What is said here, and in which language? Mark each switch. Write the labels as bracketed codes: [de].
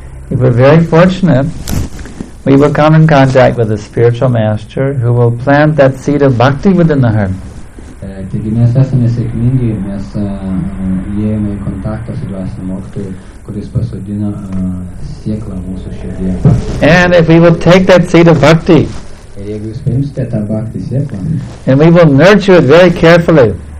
[en] If we're very fortunate, we will come in contact with a spiritual master who will plant that seed of bhakti within the heart. [lt] Taigi mes esame sėkmingi, mes įėjome į kontaktą su dvasiniu mokytoju. [en] And if we will take that seed of bhakti and we will nurture it very carefully,